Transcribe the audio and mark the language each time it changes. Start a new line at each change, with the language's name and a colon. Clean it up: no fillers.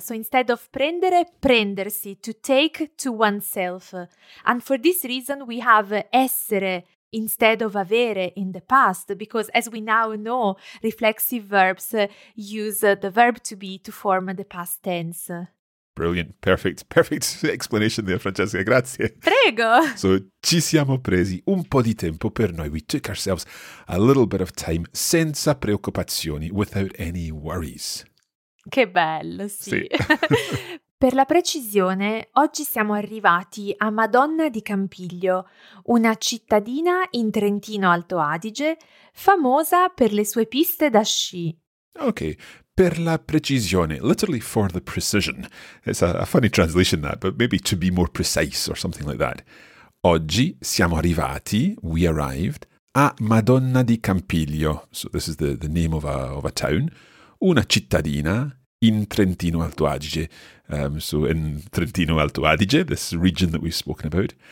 English: So instead of
Italian: prendere, prendersi,
English: to take to oneself. And for this reason, we have essere instead of avere in the past, because as we now know, reflexive verbs use the verb to be to form the past tense. Brilliant. Perfect. Perfect explanation there, Francesca. Grazie.
Italian: Prego. So, ci siamo presi un po' di tempo per noi.
English: We took ourselves a little bit of time
Italian: senza preoccupazioni,
English: without any worries.
Italian: Che bello, sì. Sì. Per la precisione, oggi siamo arrivati a Madonna di Campiglio, una cittadina in Trentino Alto Adige, famosa per le sue piste da sci.
English: Ok,
Italian: per la precisione,
English: literally for the precision. It's a funny translation that, but maybe to be more precise or something like that.
Italian: Oggi siamo arrivati,
English: we arrived,
Italian: a Madonna di Campiglio.
English: So this is the name of a town.
Italian: Una cittadina in
English: Trentino Alto Adige. So in Trentino Alto Adige, this region that we've spoken about.